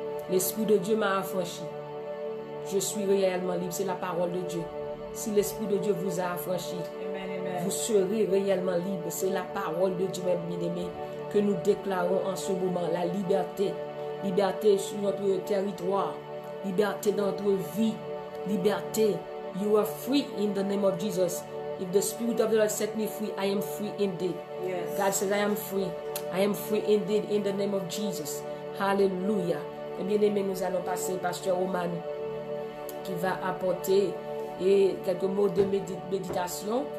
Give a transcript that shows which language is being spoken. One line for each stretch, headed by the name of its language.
French: L'Esprit de Dieu m'a affranchi, je suis réellement libre. C'est la parole de Dieu. Si l'Esprit de Dieu vous a affranchi, vous serez réellement libre. C'est la parole de Dieu, bien-aimé, que nous déclarons en ce moment. La liberté. Liberté sur notre territoire. Liberté dans notre vie. Liberté.
English: You are free in the name of Jesus. If the Spirit of the Lord set me free, I am free indeed. Yes. God says, I am free. I am free indeed in the name of Jesus. Hallelujah.
French: Et bien-aimé, nous allons passer, Pasteur Roman, qui va apporter et quelques mots de méditation.